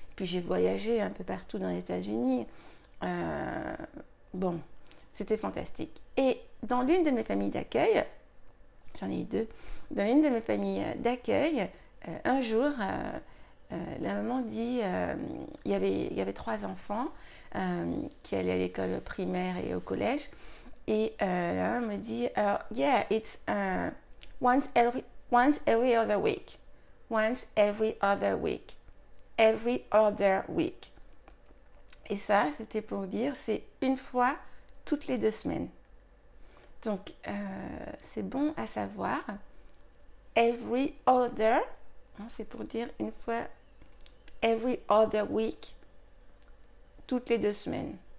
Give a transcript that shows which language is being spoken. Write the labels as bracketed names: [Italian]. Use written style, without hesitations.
[French] Puis j'ai voyagé un peu partout dans les États-Unis. Bon, c'était fantastique. Et dans l'une de mes familles d'accueil, j'en ai eu deux, dans l'une de mes familles d'accueil, un jour... la maman dit, il y avait 3 enfants qui allaient à l'école primaire et au collège. Et là, elle me dit, [English] yeah, it's once every other week. Once every other week. Every other week. [French] Et ça, c'était pour dire, c'est une fois toutes les 2 semaines. Donc, c'est bon à savoir. Every other, c'est pour dire une fois [English] every other week, [French] toutes les 2 semaines.